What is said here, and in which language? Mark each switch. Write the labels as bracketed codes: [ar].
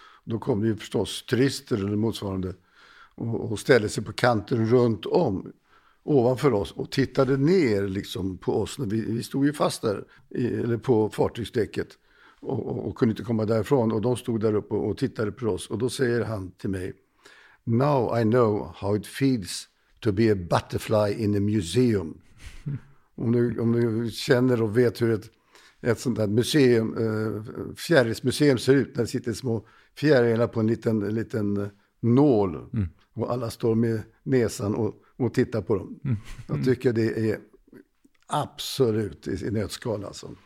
[sv] Då kom det ju förstås turister eller motsvarande och ställde sig på kanten runt om ovanför oss och tittade ner liksom på oss. Vi stod ju fast där eller på fartygsdäcket och kunde inte komma därifrån. Och de stod där uppe och tittade på oss. Och då säger han till mig, [en] Now I know how it feels to be a butterfly in a museum. [sv] Om du känner och vet hur ett sånt där museum, fjärilsmuseum ser ut, när det sitter små fjärilar på en liten nål och alla står med näsan och tittar på dem. Jag tycker det är absolut i nötskal alltså.